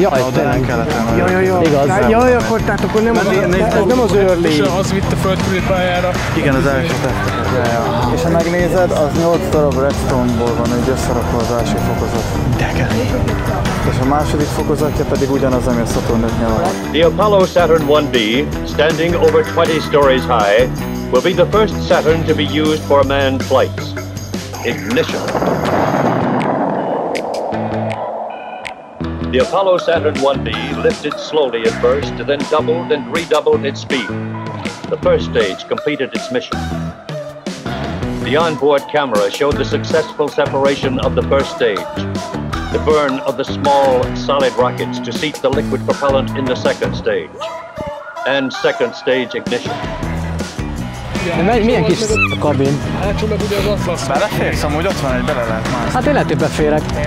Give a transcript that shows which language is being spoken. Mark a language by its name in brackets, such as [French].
[Hungarian] Jaj, tényleg. Jaj, akkor tehát akkor nem az őrli. Az vitte a földkörüli pályára. Igen, az első tette. És ha megnézed, az 8 darab redstone-ból van, hogy összerakva az első fokozat. Degen. És a második fokozatja pedig ugyanaz, ami a Saturn 5-nél van. [English] The Apollo Saturn 1B, standing over 20 stories high, will be the first Saturn to be used for manned flights. Ignition. The Apollo Saturn 1B lifted slowly at first, then doubled and redoubled its speed. The first stage completed its mission. The onboard camera showed the successful separation of the first stage, the burn of the small, solid rockets to seat the liquid propellant in the second stage, and second stage ignition. [Hungarian] De milyen kis a kabin? Beleférsz? Amúgy ott van, hogy bele lehet mászni. Hát én lehet, hogy beférek.